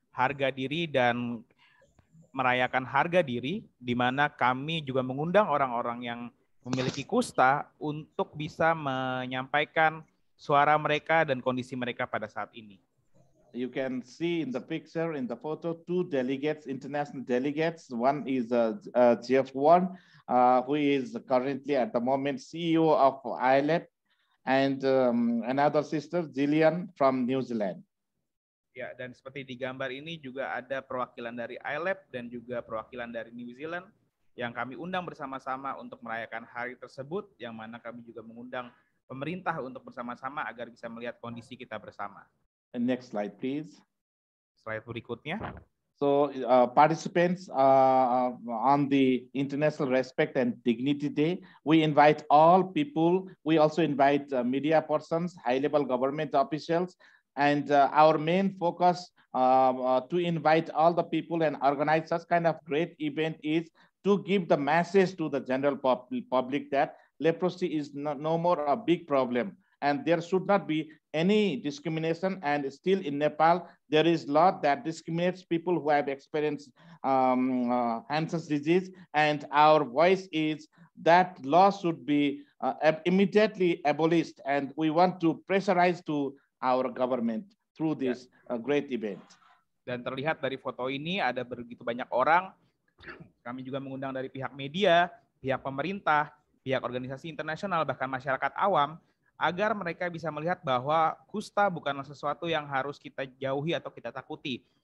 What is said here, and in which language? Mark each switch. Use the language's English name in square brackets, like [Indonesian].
[Indonesian] harga diri dan merayakan harga diri, di mana kami juga mengundang orang-orang yang memiliki kusta untuk bisa menyampaikan suara mereka dan kondisi mereka pada saat ini. [English] You can see in the picture, in the photo, two delegates, international delegates. One is Jeff Warren, who is currently at the moment CEO of ILAP, and another sister, Jillian, from New Zealand. [Indonesian] Ya, dan seperti di gambar ini juga ada perwakilan dari ILAP dan juga perwakilan dari New Zealand yang kami undang bersama-sama untuk merayakan hari tersebut, yang mana kami juga mengundang pemerintah untuk bersama-sama agar bisa melihat kondisi kita bersama. [English] And next slide, please. [Indonesian] Slide berikutnya. [English] So, participants on the International Respect and Dignity Day, we invite all people. We also invite media persons, high-level government officials, and our main focus to invite all the people and organize such kind of great event is to give the message to the general public that leprosy is no more a big problem. And there should not be any discrimination. And still in Nepal, there is law that discriminates people who have experienced Hansen's disease. And our voice is that law should be immediately abolished. And we want to pressurize to our government through this great event. [Indonesian] Dan terlihat dari foto ini ada begitu banyak orang. Kami juga mengundang dari pihak media, pihak pemerintah, pihak organisasi internasional, bahkan masyarakat awam, agar mereka bisa melihat bahwa kusta bukanlah sesuatu yang harus kita jauhi atau kita takuti.